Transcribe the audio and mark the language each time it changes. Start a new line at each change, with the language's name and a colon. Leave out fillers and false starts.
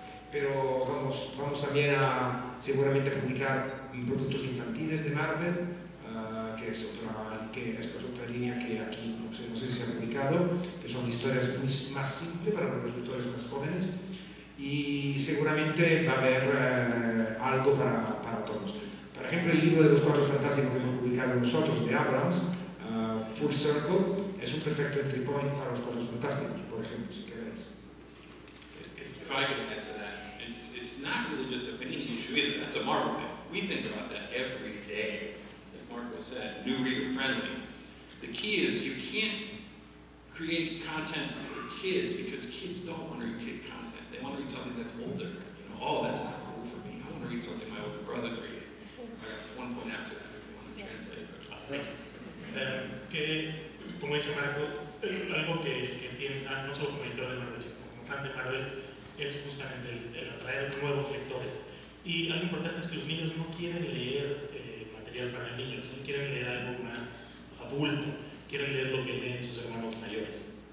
Spanish: Pero vamos también a seguramente publicar productos infantiles de Marvel, que es otra línea que aquí no sé si se ha publicado, que son historias más simples para los lectores más jóvenes. Y seguramente va a haber algo para todos. Por ejemplo, el libro de los Cuatro Fantásticos que hemos publicado nosotros, de Abrams, Full Circle, es un perfecto entry point para los Cuatro Fantásticos, por ejemplo, si queréis.
English: If I can add to that, it's not really just a Panini issue either, that's a Marvel thing. We think about that every day, like Marco said, new reader friendly. The key is you can't create content for kids because kids don't want to read kid content. I want to read something that's older. You know, oh, that's not cool for me. I want to read something my older brother's reading. I got 1 point after that if you want to translate.
Spanish: como dice Marco, algo que piensa, no solo como editor de Marvel, sino como fan de Marvel, es justamente el atraer nuevos lectores. Y algo importante es que los niños no quieren leer material para niños, sino quieren leer algo más adulto, quieren leer lo que leen sus hermanos mayores.